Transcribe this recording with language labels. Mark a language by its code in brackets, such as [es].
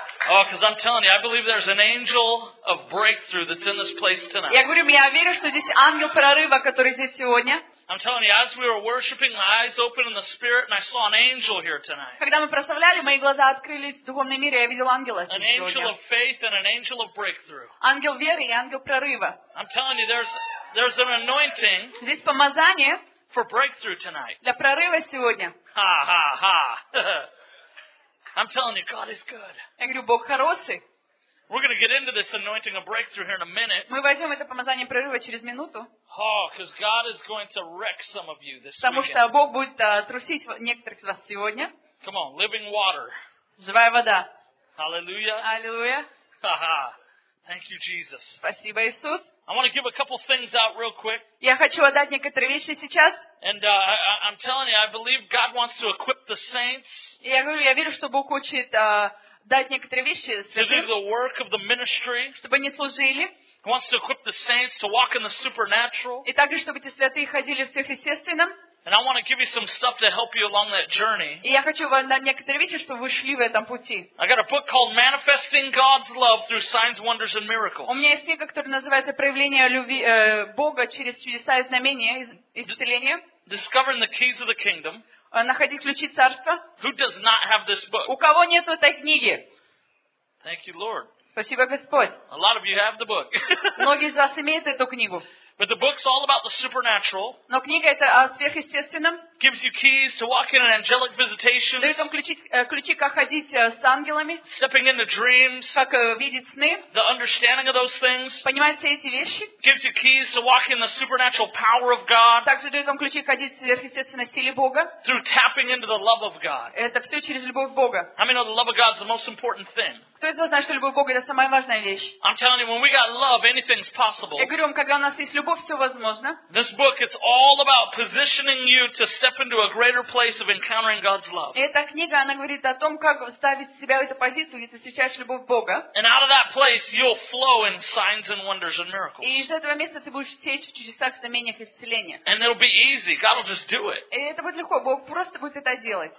[en] Oh, because I'm telling you, I believe there's an angel of breakthrough that's in this place tonight. [ru] Я говорю, я верю, что здесь ангел прорыва, который здесь сегодня. [en] I'm telling you, as we were worshiping, my eyes opened in the spirit, and I saw an angel here tonight. [ru] Когда мы прославляли, мои глаза открылись в духовном мире, я видел ангела здесь сегодня. [en] An angel of faith and an angel of breakthrough. [ru] Ангел веры и ангел прорыва. [en] I'm telling you, there's an anointing. [ru] Здесь помазание. [en] For breakthrough tonight. [ru] Для прорыва сегодня. [en] Ha ha ha. I'm telling you, God is good. [ru] Я говорю, Бог хороший. [en] We're going to get into this anointing of breakthrough here in a minute. [ru] Мы возьмем это помазание прорыва через минуту. [en] Oh, because God is going to wreck some of you this weekend. [ru] Потому что Бог будет трусить некоторых из вас сегодня. [en] Come on, living water. [ru] Живая вода. [en] Hallelujah. Hallelujah. Ha ha. Thank you, Jesus. [ru] Спасибо, Иисус. [en] I want to give a couple things out real quick. [ru] Я хочу отдать некоторые вещи сейчас. [en] And I'm telling you, I believe God wants to equip the saints. [ru] Я говорю, я верю, что Бог хочет дать некоторые вещи святым. [en] To do the work of the ministry. [ru] Чтобы они служили. [en] He wants to equip the saints to walk in the supernatural. [ru] И также, чтобы эти святые ходили в сверхъестественном. [en] And I want to give you some stuff to help you along that journey. [ru] И я хочу вам дать некоторые вещи, чтобы вы шли в этом пути. [en] I got a book called Manifesting God's Love Through Signs, Wonders and Miracles. [ru] У меня есть книга, которая называется «Проявление любви Бога через чудеса и знамения исцеления». [en] Discovering the keys of the kingdom. [ru] Находить ключи царства. [en] Who does not have this book? [ru] У кого нет этой книги? [en] Thank you, Lord. [ru] Спасибо, Господь. [en] A lot of you have the book. [ru] Многие из вас имеют эту книгу. [en] But the book's all about the supernatural. [ru] Но книга это о сверхъестественном. [en] Gives you keys to walk in an angelic visitation. [ru] Дает вам ключи как ходить с ангелами. [en] Stepping into dreams. [ru] Как видеть сны. [en] The understanding of those things. [ru] Понимаете эти вещи? [en] Gives you keys to walk in the supernatural power of God. [ru] Также дает вам ключи ходить в сверхъестественной силе Бога. [en] Through tapping into the love of God. [ru] Это все через любовь Бога. [en] How many know the love of God is the most important thing? [ru] Кто из вас знает, что любовь Бога это самая важная вещь? [en] I'm telling you, when we got love, anything's possible. [ru] Я говорю вам, когда у нас есть любовь, все возможно. [en] This book is all about positioning you to step into a greater place of encountering God's love. [ru] Эта книга, она говорит о том, как ставить себя в эту позицию, если встречаешь любовь Бога. [en] And out of that place, you'll flow in signs and wonders and miracles. [ru] И из этого места ты будешь течь в чудесах, знамениях и исцеления. [en] And it'll be easy. God will just do it. [ru] И это будет легко. Бог просто будет это делать.